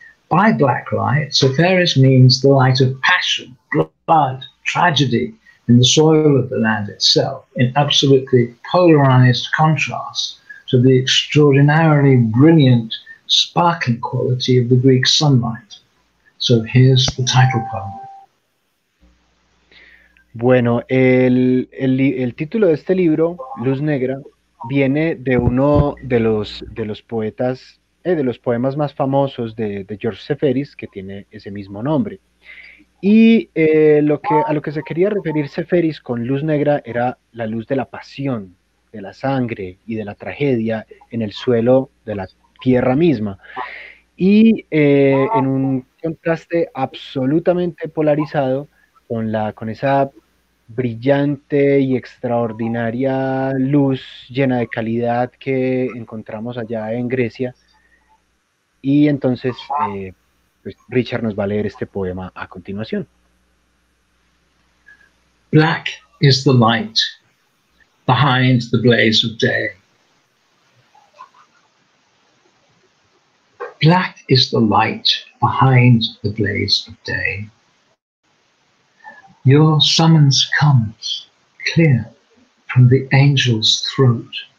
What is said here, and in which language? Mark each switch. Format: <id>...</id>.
<en>By black light, Sefelis means the light of passion, blood, tragedy in the soil of the land itself, in absolutely polarized contrast to the extraordinarily brilliant, sparkling quality of the Greek sunlight. So here's the title poem.</en> <es>Bueno, el título de este libro, Luz Negra, viene de uno de los poetas, de los poemas más famosos de George Sefelis, que tiene ese mismo nombre. Y a lo que se quería referir Sefelis con Luz Negra era la luz de la pasión, de la sangre y de la tragedia en el suelo de la tierra misma. Y en un contraste absolutamente polarizado con esa brillante y extraordinaria luz llena de calidad que encontramos allá en Grecia. Y entonces pues Richard nos va a leer este poema a continuación.</es> <en>Black is the light behind the blaze of day. Black is the light behind the blaze of day. Your summons comes clear from the angel's throat.</en>